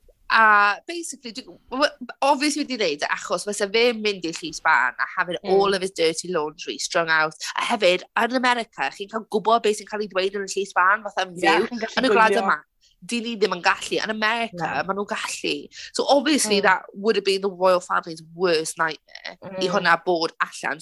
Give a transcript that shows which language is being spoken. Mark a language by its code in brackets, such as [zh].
[cy] A basically, obviously wedi dweud, achos fysa fe mynd i'r llys barn a [en] having all of his dirty laundry strung out. [cy] A hefyd, yn America, chi'n cael gwybod beth sy'n cael ei dweud yn y llys barn, fatha yn fyw, yn y gwlad yma. Dyn ni ddim yn gallu. Yn America, maen nhw'n gallu. [en] So obviously, that would have been the royal family's worst nightmare [cy] i hwnna bod allan.